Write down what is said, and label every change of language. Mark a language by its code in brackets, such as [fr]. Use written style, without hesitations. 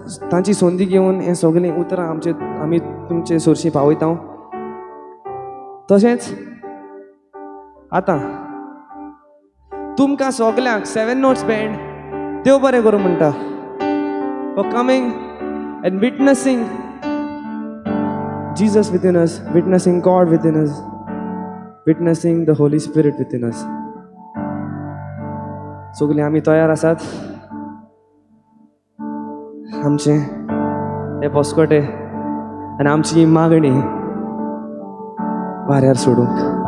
[gom] तांची सोंदी घेवन हें सगळीं उतरां आमचें आमी तुमचे सोरशीं पावयता. तशेंच आतां तुमकां सगळ्यांक सेवन नोट्स बँड देव बरें करूं म्हणटा [en] For coming and witnessing Jesus within us, witnessing God within us, witnessing the Holy Spirit within us. [gom] सगळीं आमी तयार आसात आमचें हे पोस्कोटे आनी आमची ही मागणी वाऱ्यार सोडूंक.